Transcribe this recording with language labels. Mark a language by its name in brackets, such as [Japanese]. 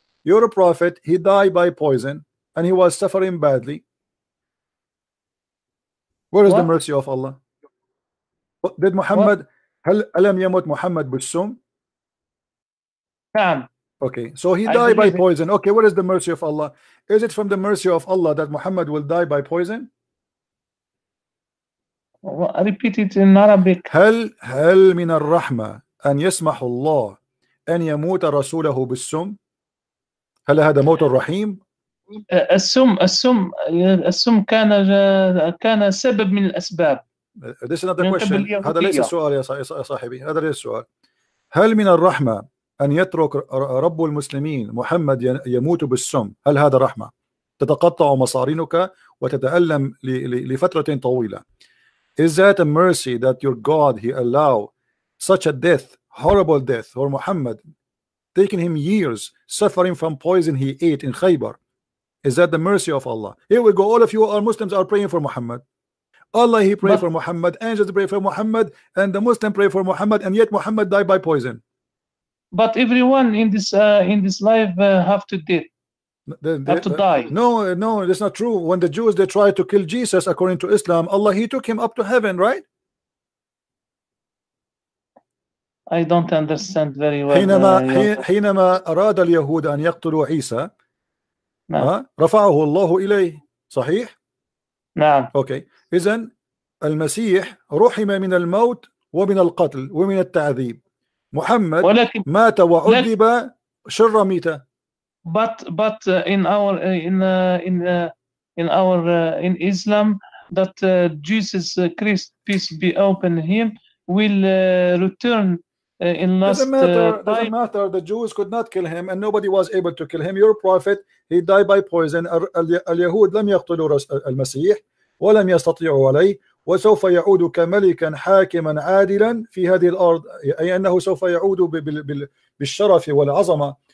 [English] Your Prophet, he died by poison and he was suffering badly. Where is the mercy of Allah? Did Muhammad, [Arabic] ألم يموت محمد بالسم? [English] Okay, so he died by poison. Okay, what is the mercy of Allah? Is it from the mercy of Allah that Muhammad will die by poison? Well, I repeat it in Arabic. [Arabic] هل من الرحمة أن يسمح الله أن يموت رسوله بالسم؟ هل هذا موت الرحيم؟ السم كان سبب من الأسباب. [English] This is not the question. [Arabic] هذا ليس السؤال يا صاحبي. هذا ليس السؤال. هل من الرحمة أن يترك رب المسلمين محمد يموت بالسم؟ هل هذا رحمة؟ تتقطع مصارينك وتتألم لفترة طويلة. [English] Is that a mercy that your God he allow such a death, horrible death for Muhammad, taking him years suffering from poison he ate in Khaybar? Is that the mercy of Allah? Here we go. All of you are Muslims are praying for Muhammad. Allah he prayed for Muhammad, angels pray for Muhammad, and the Muslim pray for Muhammad, and yet Muhammad died by poison. But everyone in this life have to die. No, that's not true. When the Jews they tried to kill Jesus according to Islam, Allah he took him up to heaven, right? I don't understand very well. [Arabic] حينما أراد اليهود أن يقتلوا عيسى رفعه الله إليه صحيح؟ نعم. [English] Okay. [Arabic] إذن المسيح رحم من الموت ومن القتل ومن التعذيب. محمد ولكن مات وعذب شر ميته. [English] But in Islam that Jesus Christ peace be upon him will return in last time. Doesn't matter. The Jews could not kill him, and nobody was able to kill him. Your prophet he died by poison. [Arabic] اليهود لم يقتلوا المسيح ولم يستطيعوا عليه وسوف يعود كملكا حاكما عادلا في هذه الأرض. أي أنه سوف يعود بالشرف والعظمة.